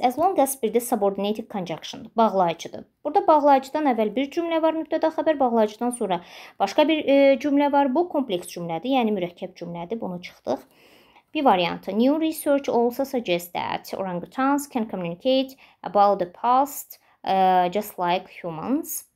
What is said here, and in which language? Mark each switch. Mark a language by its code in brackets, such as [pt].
[az] As long as bir də subordinating conjunction, bağlayıcıdır. Burada bağlayıcıdan əvvəl bir cümlə var, mübtəda xəbər, bağlayıcıdan sonra başqa bir cümlə var. Bu kompleks cümlədir, yəni mürəkkəb cümlədir, bunu çıxdıq. Bir variantı, [en] new research also suggests that orangutans can communicate about the past just like humans.